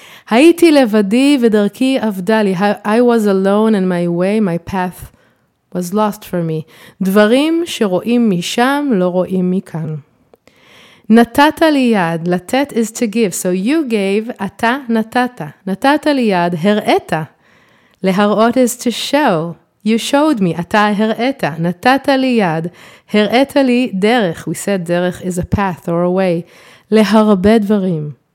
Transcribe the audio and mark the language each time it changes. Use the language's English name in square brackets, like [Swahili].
[Hebrew] הייתי לבדי ודרכי עבדה לי. [English] I was alone and my way, my path was lost for me. [Hebrew] דברים שרואים משם לא רואים מכאן. נתת לי יד, לתת [English] is to give. So you gave, [Hebrew] אתה נתת. נתת לי יד, הראית. [English] להראות is to show. You showed me, [Hebrew] אתה הראית. נתת לי יד, הראית לי דרך. [English] We said דרך is a path or a way. [Hebrew] להרבה דברים.